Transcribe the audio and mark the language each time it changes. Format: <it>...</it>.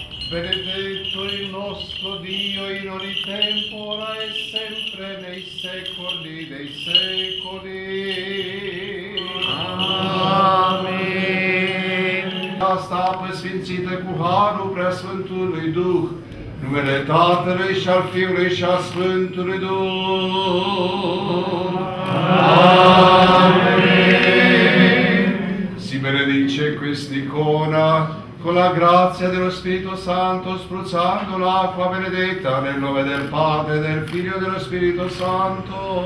<it>Benedetto il nostro Dio in ogni tempora e sempre nei secoli dei secoli. Amen.</it> <ro>Asta pe sfințite cu harul preasfântului Duh, numele Tatălui și al Fiului și al Sfântului Duh. Amen.</ro> <it>Si benedice quest'icona con la grazia dello Spirito Santo, spruzzando l'acqua benedetta nel nome del Padre, del Figlio e dello Spirito Santo.</it>